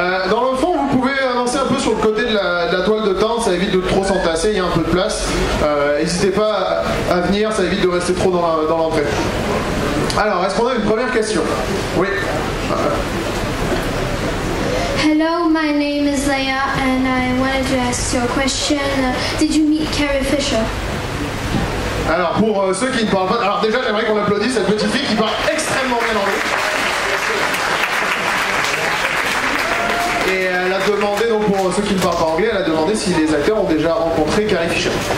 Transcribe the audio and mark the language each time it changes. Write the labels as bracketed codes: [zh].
[fr] Dans le fond, vous pouvez avancer un peu sur le côté de la toile de tente, ça évite de trop s'entasser, il y a un peu de place. N'hésitez pas à venir, ça évite de rester trop dans l'entrée. Alors, est-ce qu'on a une première question? Oui. [en] Hello, my name is Leia and I wanted to ask your question. Did you meet Carrie Fisher? [fr] Alors, pour ceux qui ne parlent pas... Alors déjà, j'aimerais qu'on applaudisse cette petite fille qui parle extrêmement bien anglais. Et elle a demandé, donc pour ceux qui ne parlent pas anglais, elle a demandé si les acteurs ont déjà rencontré Carrie Fisher.